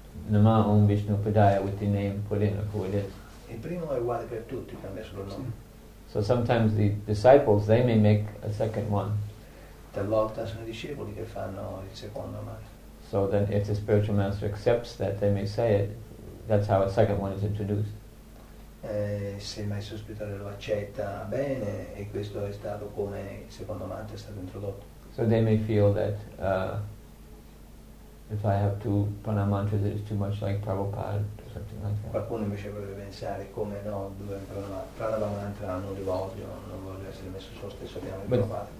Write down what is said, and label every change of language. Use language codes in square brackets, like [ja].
[sa] Nama Om Vishnu Padaya [en] with the name put in of who it is. [it] Il primo è uguale per tutti, cambia solo il nome. [en] So sometimes the disciples they may make a second one. [it] Talvolta sono i discepoli che fanno il secondo mantra. [en] So then if the spiritual master accepts that they may say it, that's how a second one is introduced. [it] Se il maestro spirituale lo accetta bene, e questo è stato come il secondo mantra è stato introdotto. [en] So they may feel that if I have two Pranava mantras, it is too much like Prabhupada or something like that. [it] Qualcuno invece vorrebbe pensare come no, due Pranava mantra non li voglio, non voglio essere messo sullo stesso piano di Prabhupada.